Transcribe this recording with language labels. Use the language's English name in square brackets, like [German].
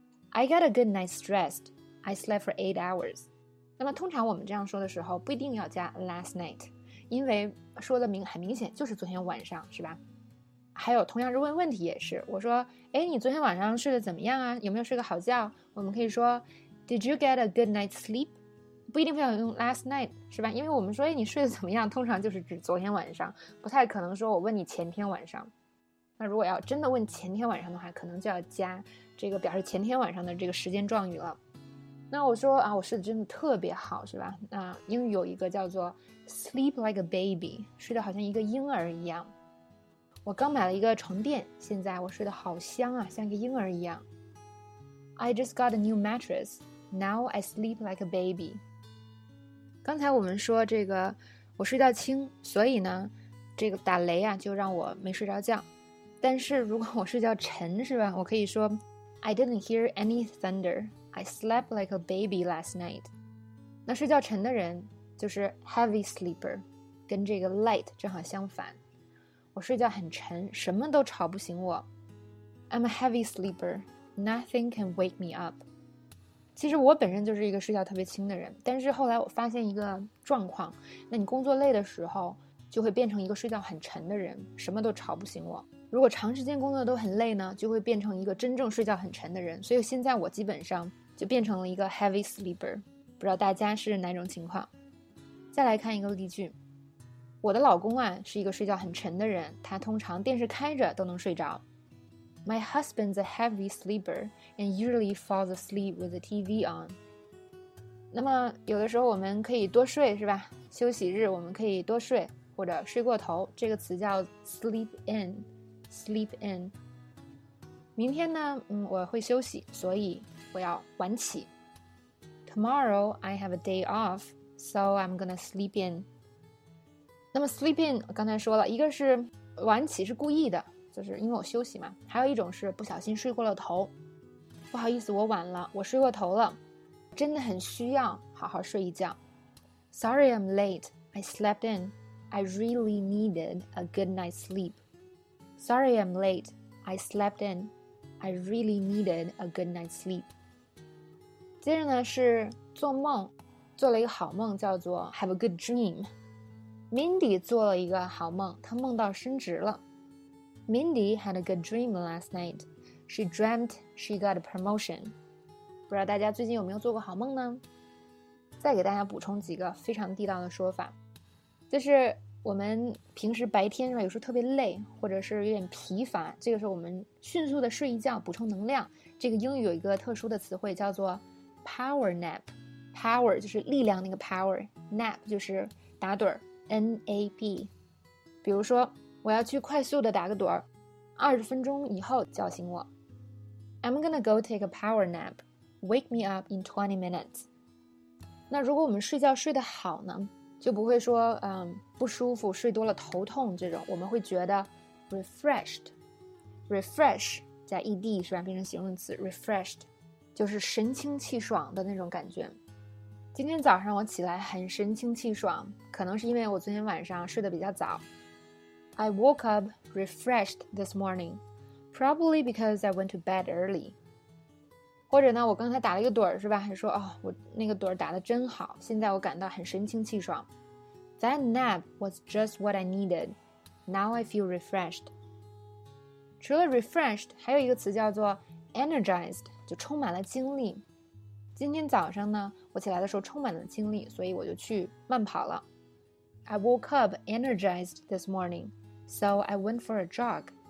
[English] I got a good night's rest. I slept for 8 hours. [Chinese] 那么通常我们这样说的时候，不一定要加 last night， 因为说的很明显就是昨天晚上，是吧？还有同样是问问题也是，我说，哎，你昨天晚上睡得怎么样啊？有没有睡个好觉？我们可以说 [English] ，Did you get a good night's sleep？ [Chinese] 不一定非要用 last night， 是吧？因为我们说，哎，你睡得怎么样？通常就是指昨天晚上，不太可能说我问你前天晚上。那如果要真的问前天晚上的话，可能就要加这个表示前天晚上的这个时间状语了。那我说啊，我睡得真的特别好，是吧？那英语有一个叫做 [English] sleep like a baby， [Chinese] 睡得好像一个婴儿一样。我刚买了一个床垫，现在我睡得好香啊，像一个婴儿一样。 [English] I just got a new mattress. Now I sleep like a baby. [Chinese] 刚才我们说这个我睡觉轻，所以呢，这个打雷啊就让我没睡着觉。但是如果我睡觉沉，是吧？我可以说 [English] ，I didn't hear any thunder. I slept like a baby last night. [Chinese] 那睡觉沉的人就是 heavy sleeper， 跟这个 light 正好相反。我睡觉很沉，什么都吵不醒我。 [English] I'm a heavy sleeper. Nothing can wake me up. [Chinese] 其实我本身就是一个睡觉特别轻的人，但是后来我发现一个状况，那你工作累的时候就会变成一个睡觉很沉的人，什么都吵不醒我。如果长时间工作都很累呢，就会变成一个真正睡觉很沉的人。所以现在我基本上就变成了一个 heavy sleeper， 不知道大家是哪种情况。再来看一个例句，我的老公啊是一个睡觉很沉的人，他通常电视开着都能睡着。 [English] My husband's a heavy sleeper and usually falls asleep with the TV on。 [Chinese] 那么有的时候我们可以多睡，是吧？休息日我们可以多睡或者睡过头，这个词叫 sleep in。 [English] Sleep in. [Chinese] 明天呢，我会休息，所以我要晚起。 [English] Tomorrow I have a day off, so I'm gonna sleep in. [Chinese] 那么 sleep in 刚才说了，一个是晚起是故意的，就是因为我休息嘛。还有一种是不小心睡过了头，不好意思，我晚了，我睡过头了，真的很需要好好睡一觉。 [English] Sorry I'm late, I slept in. I really needed a good night's sleep. Sorry I'm late, I slept in. I really needed a good night's sleep. [Chinese] 接着呢是做梦，做了一个好梦叫做 [English] have a good dream. [Chinese] Mindy 做了一个好梦，她梦到升职了。 [English] Mindy had a good dream last night. She dreamt she got a promotion. [Chinese] 不知道大家最近有没有做过好梦呢？再给大家补充几个非常地道的说法，就是我们平时白天有时候特别累或者是有点疲乏，这个时候我们迅速的睡一觉补充能量。这个英语有一个特殊的词汇叫做 power nap， power 就是力量那个 power， nap 就是打盹 NAP。比如说我要去快速的打个盹，20分钟以后叫醒我。 [English] I'm gonna go take a power nap, wake me up in 20 minutes。 [Chinese] 那如果我们睡觉睡得好呢，就不会说不舒服，睡多了头痛这种，我们会觉得 refreshed， refresh 加 ed 是吧，变成形容词 refreshed， 就是神清气爽的那种感觉。今天早上我起来很神清气爽，可能是因为我昨天晚上睡得比较早。 [English] I woke up refreshed this morning, probably because I went to bed early。 [Chinese] 或者呢，我刚才打了一个盹儿，是吧？还说哦，我那个盹儿打得真好，现在我感到很神清气爽。 [English] That nap was just what I needed. Now I feel refreshed. [Chinese] 除了 refreshed， 还有一个词叫做 energized， 就充满了精力。今天早上呢，我起来的时候充满了精力，所以我就去慢跑了。 [English] I woke up energized this morning, so I went for a jog.